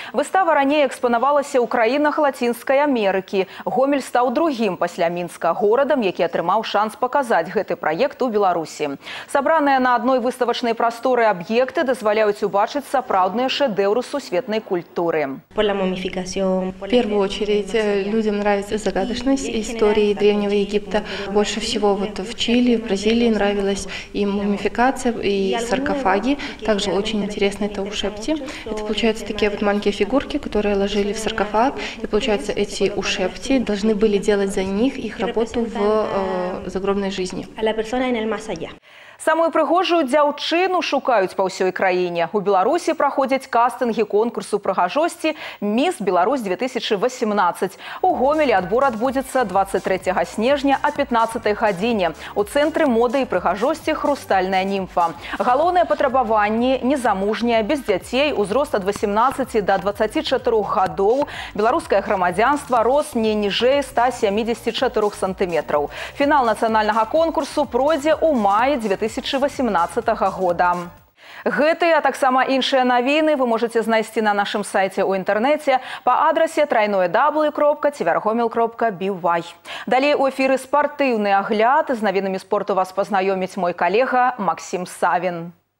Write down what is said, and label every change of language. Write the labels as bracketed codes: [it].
[be] Выстава раней экспанавалася ў краінах Лацінскай Амерыкі. Гомель стаў другім пасля Мінска горадам, які атрымаў шанс паказаць гэты праект у Беларусі. Сабраныя на адной выставачнай прасторы аб'екты дазваляюць убачыць сапраўдныя шэдэўры сусветной культуры. [ru] В первую очередь людям нравится загадочность истории Древнего Египта. Больше всего вот в Чили, в Бразилии нравилась и мумификация, и саркофаги. Также очень интересно это ушепти. Это получаются такие вот маленькие фигурки, которые ложили в саркофаг. И получается, эти ушепти должны были делать за них их работу в загробной жизни. [be] Самую прыгожую дзяўчыну шукаюць па ўсёй краіне. У Беларусі праходзяць кастынгі конкурсу прыгажосці «Міс Беларусь-2018». У Гомелі адбор адбудзецца 23 снежня о 15 гадзіне у Цэнтры моды і прыгажосці «Хрустальная німфа». Галоўныя патрабаванні – незамужнія, без дзяцей, узрост ад 18 да 24 гадоў, беларускае грамадзянства, рост не ніжэй 174 сантыметраў. Фінал нацыянальнага конкурсу пройдзе ў маі 2018 года. Гэтыя, а таксама іншыя навіны вы можаце знайсці на нашым сайце ў інтэрнэце па адрасе www.tvrgomel.by. Далей у эфіры спартыўны агляд. З навінамі спорту вас пазнаёміць мой калега Максім Савін.